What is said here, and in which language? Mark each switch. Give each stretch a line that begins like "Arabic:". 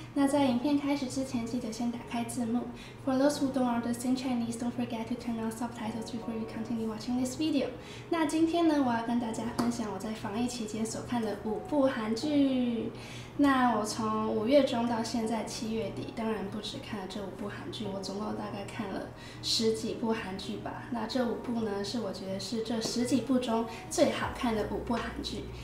Chinese: 那在影片开始之前，记得先打开字幕。
English: For those who don't understand Chinese, don't forget to turn on subtitles before you continue watching this video。
Chinese: 那今天呢，我要跟大家分享我在防疫期间所看的五部韩剧。那我从五月中到现在七月底，当然不只看了这五部韩剧，我总共大概看了十几部韩剧吧。那这五部呢，是我觉得是这十几部中最好看的五部韩剧。